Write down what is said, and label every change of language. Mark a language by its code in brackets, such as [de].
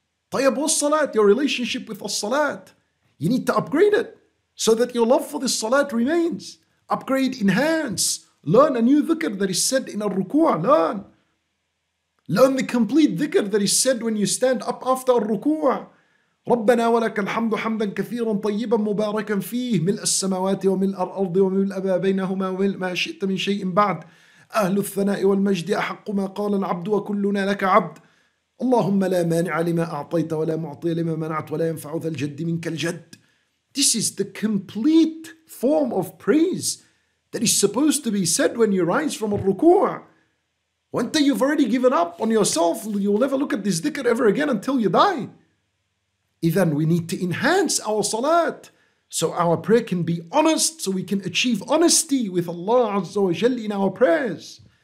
[en] Tayyab al-salat, your relationship with al-salat. You need to upgrade it so that your love for this salat remains. Upgrade, enhance, learn a new dhikr that is said in al-ruku'ah, learn. Learn the complete dhikr that is said when you stand up after al-ruku'ah. [ar] ربنا ولك الحمد حمدا كثيرا طيبا مباركا فيه ملء السماوات وملء الأرض وملء ما بينهما وملء ما شئت من شيء بعد أهل الثناء والمجد أحق ما قال العبد وكلنا لك عبد اللهم لا مانع لما أعطيت ولا معطي لما منعت ولا ينفع ذا الجد منك الجد. [en] This is the complete form of praise that is supposed to be said when you rise from al-ruku'ah. One day you've already given up on yourself, you will never look at this dhikr ever again until you die. Then we need to enhance our salat so our prayer can be honest, so we can achieve honesty with Allah Azza wa Jalla in our prayers.